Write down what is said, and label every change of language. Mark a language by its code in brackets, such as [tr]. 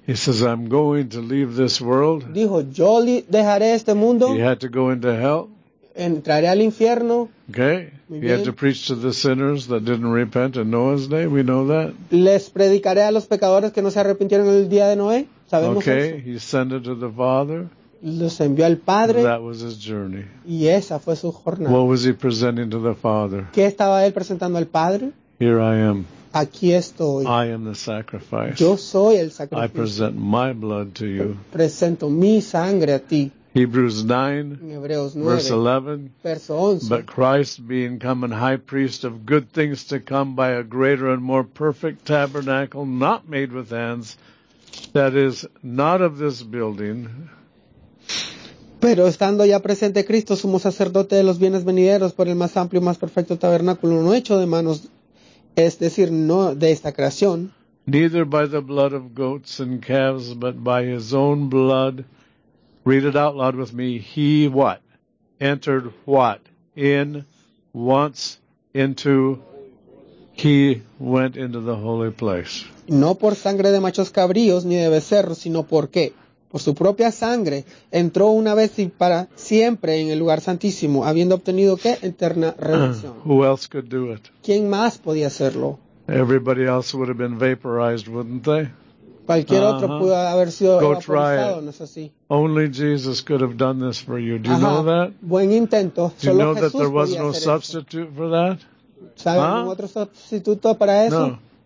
[en] He says, I'm going to leave this world. [es] Dijo, yo dejaré este mundo. [en] He had to go into hell. [es] Entraré al infierno. [en] Okay. [es] Muy [en] he [es] bien. [en] Had to preach to the sinners that didn't repent in Noah's day. We know that. [es] Les predicaré a los pecadores que no se arrepintieron el día de Noé. Sabemos [en] okay. [es] eso. [en] Okay. He sent it to the Father. [es] Los envió al Padre. [en] That was his journey. [es] Y esa fue su jornada. [en] What was he presenting to the Father? [es] ¿Qué estaba él presentando al Padre? [en] Here I am. [es] Aquí estoy. [en] I am the sacrifice. [es] Yo soy el sacrificio. [en] I present my blood to you. [es] Presento mi sangre a ti. [en] Hebrews 9, [es] en Hebreos 9, [en] verse 11, [es] verso 11. [en] But Christ being come and high priest of good things to come by a greater and more perfect tabernacle, not made with hands, that is, not of this building. [es] Pero estando ya presente Cristo, sumo sacerdote de los bienes venideros, por el más amplio y más perfecto tabernáculo, no hecho de manos, es decir, no de esta creación. [en] Neither by the blood of goats and calves, but by his own blood. Read it out loud with me. He what? Entered what? In once into. He went into the holy place. [es] No por sangre de machos cabríos ni de becerros, sino por qué. Por su propia sangre entró una vez y para siempre en el lugar santísimo, habiendo obtenido qué eterna redención. [en] Who else could do it? [es] ¿Quién más podía hacerlo? [en] Everybody else would have been vaporized, wouldn't they? [es] Cualquier otro pudo haber sido vaporizado, ¿no es así? [en] Only Jesus could have done this for you. Do you know that? [es] Buen intento. [en] Do you know that there was no substitute for that? [es] ¿Sabe algún otro sustituto para eso?